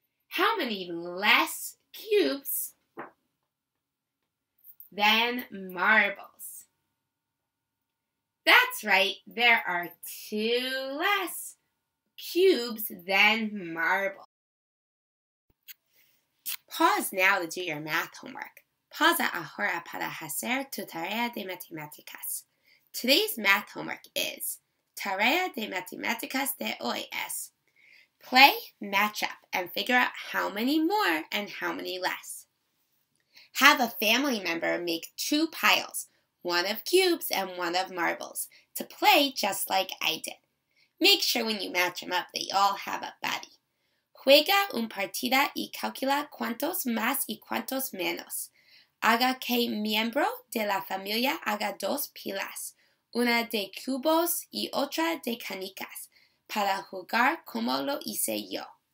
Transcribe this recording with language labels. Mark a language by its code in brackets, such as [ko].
[en] How many less cubes than marbles? That's right, there are 2 less cubes than marbles. Pause now to do your math homework. [es] Pausa ahora para hacer tu tarea de matemáticas. [en] Today's math homework is, [es] Tarea de Matemáticas de hoy es, [en] play, match up, and figure out how many more and how many less. Have a family member make 2 piles, 1 of cubes and 1 of marbles, to play just like I did. Make sure when you match them up that you all have a buddy. [es] Juega un partida y calcula cuántos más y cuántos menos. Haga que miembro de la familia haga 2 pilas. Una de cubos y otra de canicas, para jugar como lo hice yo.